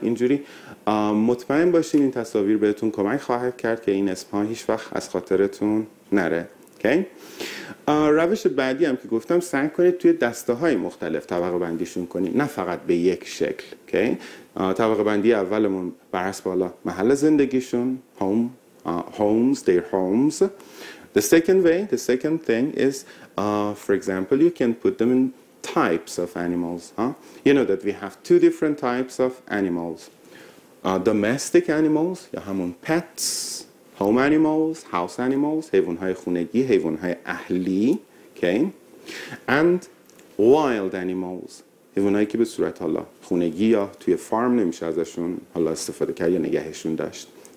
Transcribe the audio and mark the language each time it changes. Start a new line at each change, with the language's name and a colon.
Persian: اینجوری مطمئن باشین این تصاویر بهتون کمک خواهد کرد که این اسم‌ها هیچ وقت از خاطرتون نره.
English: Okay.
Persian: روش بعدی هم که گفتم، سعی کنید توی دسته های مختلف طبقه بندیشون کنید، نه فقط به یک شکل.
English: Okay.
Persian: طبقه بندی اولمون بر اساس بالا محل زندگیشون، homes.
English: The second thing is for example, you can put them in types of animals. You know that we have two different types of animals: domestic animals
Persian: یا همون
English: pets، home animals، house animals،
Persian: حیوان‌های خانگی، حیوان‌های اهلی،
English: okay؟ And wild animals،
Persian: حیوانایی که به صورت حالا خانگی یا توی فارم نمیشه ازشون حالا استفاده کرد یا نگهشون داشت.